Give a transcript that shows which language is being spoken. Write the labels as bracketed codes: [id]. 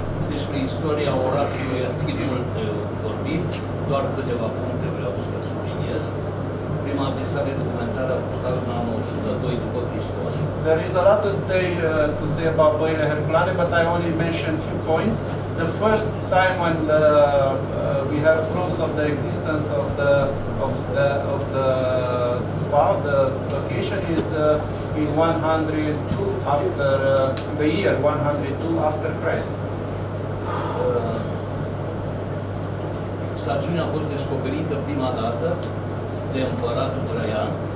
[ro] Despre istoria orașului ar fi mult vorbit, doar câteva puncte vreau să subliniez. Prima adresare documentară a fost în anul 102 după Hristos. [en] There is a lot of detail to say about Băile Herculane, but I only mentioned few points. The first time when we have proofs of the existence of the spa, the location is in 102 after the year 102 after Christ. [ro] Stațiunea a fost descoperită prima dată de împăratul Traian.